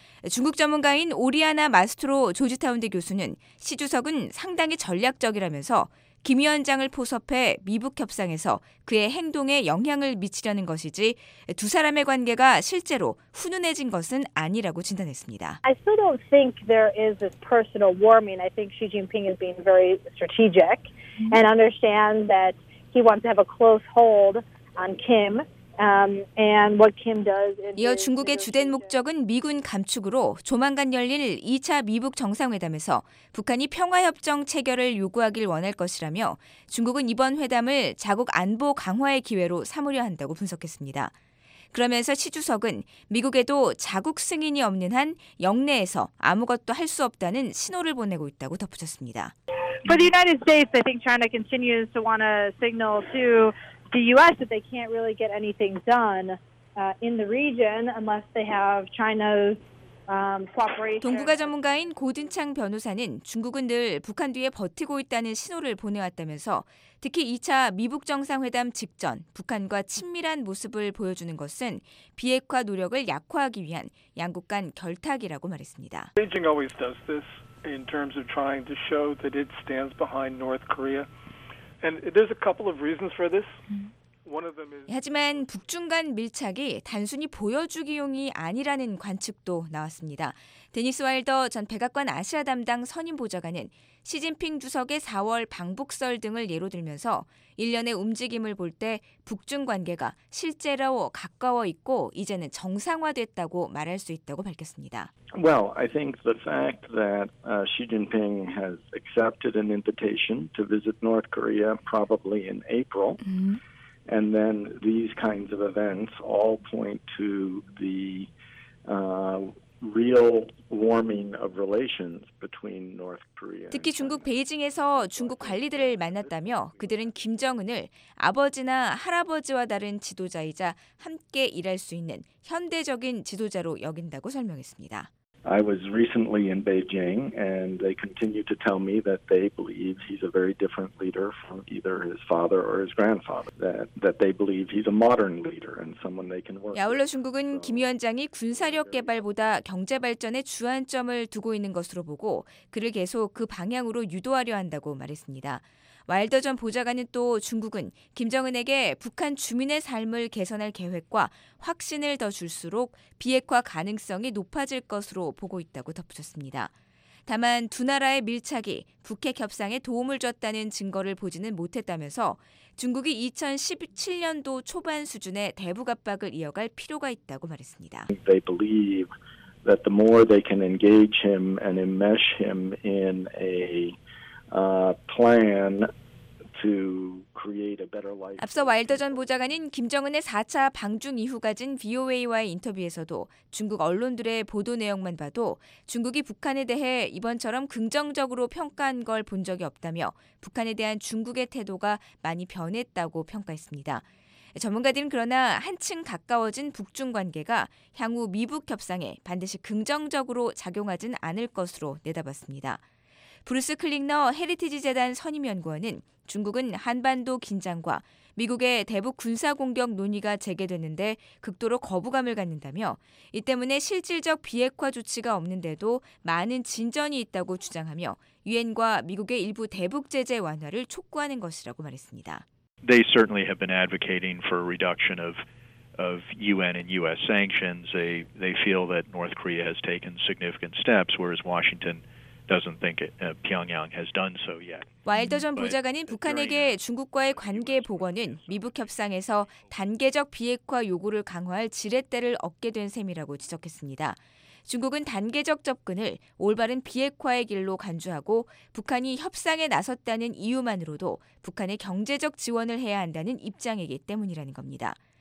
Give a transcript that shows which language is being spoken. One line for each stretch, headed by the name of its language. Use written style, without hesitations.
Korean: 중국 전문가인 오리아나 마스트로 조지타운대 교수는 시 주석은 상당히 전략적이라면서 김 위원장을 포섭해 미북 협상에서 그의 행동에 영향을 미치려는 것이지 두 사람의 관계가 실제로 훈훈해진 것은 아니라고 진단했습니다.
English: I still don't think there is this personal warming. I think Xi Jinping is being very strategic and understands that he wants to have a close hold on Kim and what Kim does.
Korean: 이어 중국의 주된 목적은 미군 감축으로 조만간 열릴 2차 미북 정상회담에서 북한이 평화협정 체결을 요구하길 원할 것이라며 중국은 이번 회담을 자국 안보 강화의 기회로 삼으려 한다고 분석했습니다. 그러면서 시 주석은 미국에도 자국 승인이 없는 한 영내에서 아무것도 할 수 없다는 신호를 보내고 있다고 덧붙였습니다.
English: For the United States, I think China continues to want to signal to the U.S. that they can't really get anything done in the region unless they have China's
Korean: 동북아 전문가인 고든창 변호사는 중국은 늘 북한 뒤에 버티고 있다는 신호를 보내왔다면서 특히 2차 미북 정상회담 직전 북한과 친밀한 모습을 보여주는 것은 비핵화 노력을 약화하기 위한 양국 간 결탁이라고 말했습니다.
English: Beijing always does this in terms of trying to show that it stands behind North Korea. And there's a couple of reasons for this.
Korean: 하지만 북중 간 밀착이 단순히 보여주기용이 아니라는 관측도 나왔습니다. 데니스 와일더 전 백악관 아시아 담당 선임 보좌관은 시진핑 주석의 4월 방북설 등을 예로 들면서 일련의 움직임을 볼 때 북중 관계가 실제로 가까워 있고 이제는 정상화됐다고 말할 수 있다고 밝혔습니다.
English: Well, I think the fact that Xi Jinping has accepted an invitation to visit North Korea probably in April. And then these kinds of events all point to the real warming of relations between North Korea.
Korean: 특히 중국 베이징에서 중국 관리들을 만났다며 그들은 김정은을 아버지나 할아버지와 다른 지도자이자 함께 일할 수 있는 현대적인 지도자로 여긴다고 설명했습니다.
English: I was recently in Beijing and they continue to tell me that they believe he's a very different leader from either his father or his grandfather that they believe he's a modern leader and someone they can work with.
Korean: 아울러 중국은 김 위원장이 군사력 개발보다 경제 발전에 주안점을 두고 있는 것으로 보고 그를 계속 그 방향으로 유도하려 한다고 말했습니다. 와일더 전 보좌관은 또 중국은 김정은에게 북한 주민의 삶을 개선할 계획과 확신을 더 줄수록 비핵화 가능성이 높아질 것으로 보고 있다고 덧붙였습니다. 다만 두 나라의 밀착이 북핵 협상에 도움을 줬다는 증거를 보지는 못했다면서 중국이 2017년도 초반 수준의 대북 압박을 이어갈 필요가 있다고 말했습니다.
English: They believe that the more they can engage him and enmesh him in a plan to create a better life.
Korean: 앞서 와일더 전 보좌관은 김정은의 4차 방중 이후 가진 VOA와의 인터뷰에서도 중국 언론들의 보도 내용만 봐도 중국이 북한에 대해 이번처럼 긍정적으로 평가한 걸 본 적이 없다며 북한에 대한 중국의 태도가 많이 변했다고 평가했습니다. 전문가들은 그러나 한층 가까워진 북중 관계가 향후 미북 협상에 반드시 긍정적으로 작용하진 않을 것으로 내다봤습니다. 브루스 클릭너 헤리티지 재단 선임연구원은 중국은 한반도 긴장과 미국의 대북 군사 공격 논의가 재개됐는데 극도로 거부감을 갖는다며 이 때문에 실질적 비핵화 조치가 없는데도 많은 진전이 있다고 주장하며 유엔과 미국의 일부 대북 제재 완화를 촉구하는 것이라고 말했습니다.
English: They certainly have been advocating for a reduction of UN and US sanctions. They feel that North Korea has taken significant steps, whereas Washington doesn't think it, Pyongyang has done so yet.
Korean: 와일더 전 보좌관은 북한에게 중국과의 관계 복원은 미북 협상에서 단계적 비핵화 요구를 강화할 지렛대를 얻게 된 셈이라고 지적했습니다. 중국은 단계적 접근을 올바른 비핵화의 길로 간주하고 북한이 협상에 나섰다는 이유만으로도 북한의 경제적 지원을 해야 한다는 입장이기 때문이라는 겁니다.